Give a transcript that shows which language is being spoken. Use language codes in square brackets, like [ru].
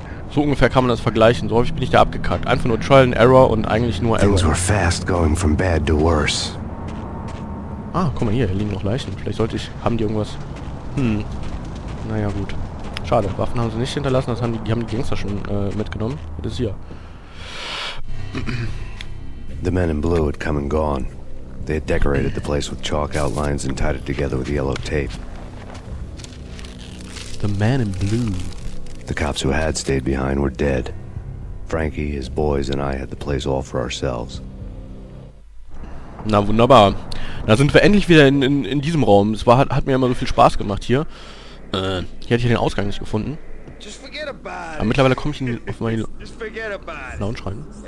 [de] So ungefähr kann man das vergleichen. So häufig bin ich da abgekackt. Einfach nur Trial and Error und eigentlich nur Error. [en] Things were fast going from bad to worse. [de] Ah, guck mal hier, hier liegen noch Leichen. Vielleicht sollte ich... Haben die irgendwas... Naja, gut. Schade, Waffen haben sie nicht hinterlassen, das haben die, haben die Gangster schon mitgenommen. Das ist hier. [en] The men in blue had come and gone. They had decorated the place with chalk outlines and tied it together with yellow tape. The man in blue. The cops who had stayed behind were dead. Frankie, his boys and I had the place all for ourselves. [de] Na wunderbar. Da sind wir endlich wieder in diesem Raum. Es war, hat mir immer so viel Spaß gemacht hier. Hier hätte ich den Ausgang nicht gefunden. Aber mittlerweile komme ich in die, auf meine Lounge rein.